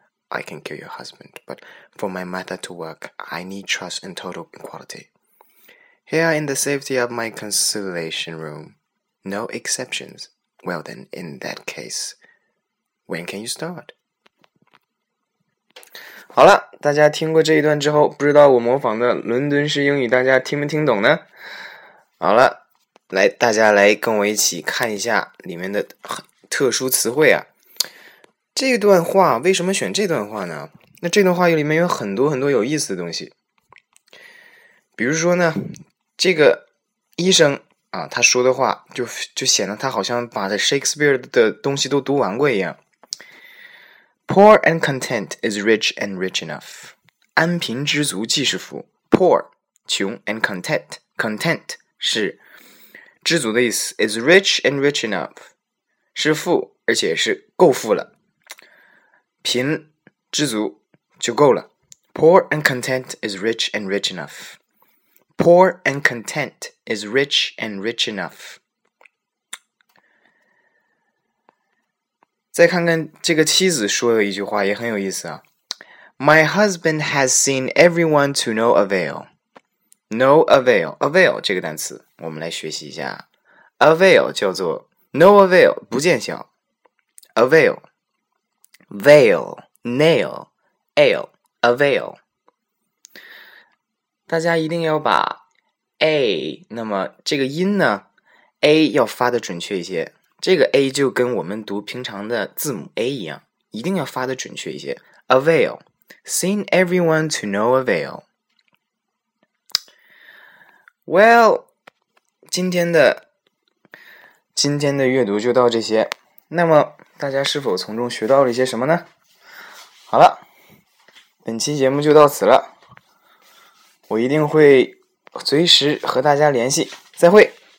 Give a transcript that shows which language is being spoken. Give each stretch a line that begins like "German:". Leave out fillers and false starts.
English: I can cure your husband, but for my method to work, I need trust and total equality. Here in the safety of my conciliation room,No exceptions. Well then, in that case, when can you start?
Chinese: 好了，大家听过这一段之后，不知道我模仿的伦敦式英语大家听没听懂呢？好了，来，大家来跟我一起看一下里面的特殊词汇啊。这段话为什么选这段话呢？那这段话里面有很多很多有意思的东西。比如说呢，这个医生啊，他说的话就显得他好像把 Shakespeare 的东西都读完过一样。
English: Poor and content is rich and rich enough.
Chinese: 安贫知足即是福。 Poor, 穷 and content 是知足的意思。
English: Is rich and rich enough. 是富而且是够富了。
Chinese: 贫知足就够了。
English: Poor and content is rich and rich enough. Poor and content is rich and rich enough.
Chinese: 再看看这个妻子说的一句话也很有意思啊。
English: My husband has seen everyone to no avail. No avail.
Chinese: Avail 这个单词我们来学习一下。 Avail 叫做 no avail, 不见效。
English: Avail. Veil. Nail. Ale. Avail.
Chinese: 大家一定要把 A, 那么这个音呢 ,A 要发的准确一些。这个 A 就跟我们读平常的字母 A 一样，一定要发的准确一些。
English: Avail, seen everyone to no avail.
Chinese: Well, 今天的阅读就到这些。那么大家是否从中学到了一些什么呢？好了，本期节目就到此了。我一定会随时和大家联系，再会。